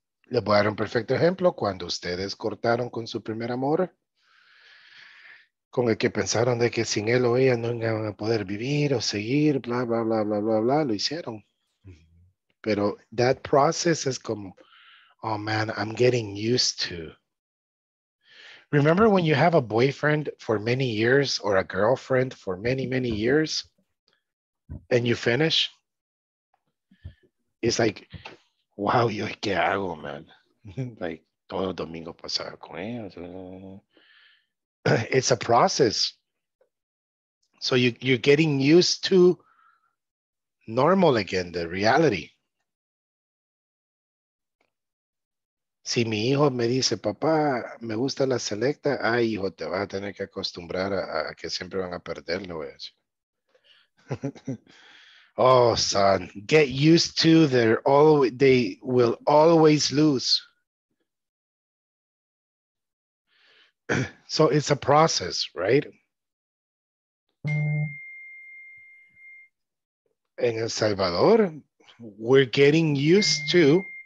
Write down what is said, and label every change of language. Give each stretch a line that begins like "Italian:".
Spanish: Les voy a dar un perfecto ejemplo. Cuando ustedes cortaron con su primer amor, con el que pensaron de que sin él o ella no iban a poder vivir o seguir, bla, bla, bla, bla, bla, bla, lo hicieron. Pero
English: that process is
Spanish: como,
English: oh man, I'm getting used to. Remember when you have a boyfriend for many years or a girlfriend for many, many years and you finish? It's like, wow,
Spanish: yo, ¿qué hago,
English: man? Like,
Spanish: todo domingo pasado con ellos.
English: It's a process. So you're getting used to normal again, the reality.
Spanish: Si mi hijo me dice, papá, me gusta la selecta, ay, hijo, te vas a tener que acostumbrar a que siempre van a perder, le voy a decir.
English: Oh, son, get used to they will always lose. So it's a process, right? In El Salvador, we're getting used to.